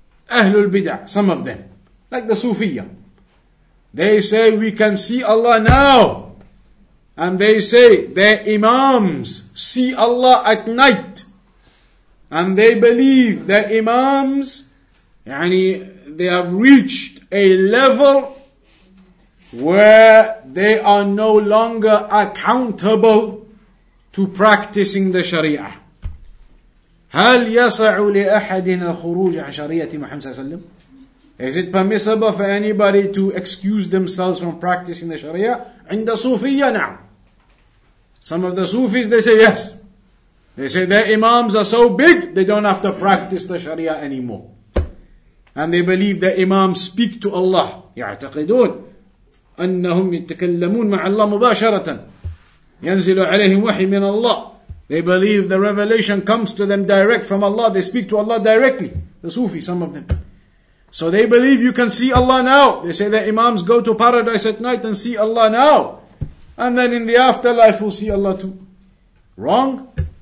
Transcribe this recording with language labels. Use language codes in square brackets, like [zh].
[en] Ahlul Bid'ah, some of them, like the Sufiyya, they say we can see Allah now, and they say their imams see Allah at night, and they believe their imams, yani, they have reached a level where they are no longer accountable to practicing the Sharia. [ar] هل يسع لأحدنا خروج عن شريعة محمد صلى الله عليه وسلم? [en] Is it permissible for anybody to excuse themselves from practicing the Sharia? [ar] عند صوفية نعم. [en] Some of the Sufis, they say yes. They say their imams are so big, they don't have to practice the Sharia anymore. And they believe their imams speak to Allah. [ar] يعتقدون أنهم يتكلمون مع الله مباشرة. ينزل عليهم وحي من الله. [en] They believe the revelation comes to them direct from Allah. They speak to Allah directly. The Sufi, some of them. So they believe you can see Allah now. They say that imams go to paradise at night and see Allah now. And then in the afterlife we'll see Allah too. Wrong?